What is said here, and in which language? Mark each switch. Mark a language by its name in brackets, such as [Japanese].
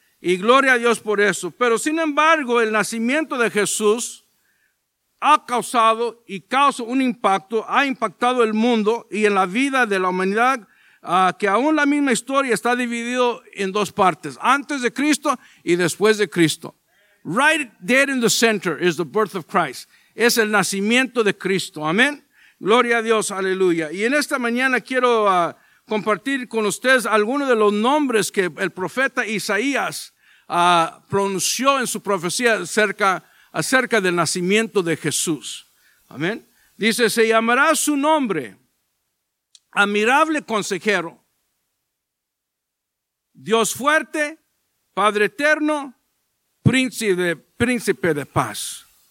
[Spanish] Y gloria a Dios por eso. Pero sin embargo, el nacimiento de Jesús ha causado y causa un impacto, ha impactado el mundo y en la vida de la humanidad, que aún la misma historia está dividida en dos partes, antes de Cristo y después de Cristo. [English] Right there in the center is the birth of Christ. [Spanish] Es el nacimiento de Cristo. Amén. Gloria a Dios. Aleluya. Y en esta mañana quiero compartir con ustedes algunos de los nombres que el profeta Isaías pronunció en su profecía acerca del nacimiento de Jesús. Amén. Dice, se llamará su nombre admirable consejero, Dios fuerte, Padre eterno, Príncipe de paz.